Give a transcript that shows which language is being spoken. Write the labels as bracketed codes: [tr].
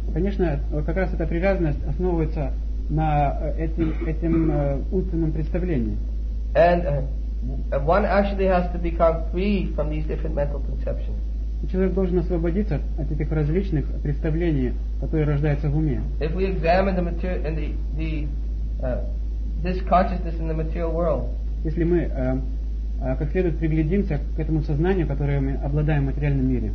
[ru] Конечно, как раз эта привязанность основывается на этим умственном представлении. [en] And one actually has to become free from these different mental conceptions. [ru] Человек должен освободиться от этих различных представлений, которые рождаются в уме. [en] If we examine the this consciousness in the material world, [ru] если мы как следует приглядимся к этому сознанию, которое мы обладаем в материальном мире,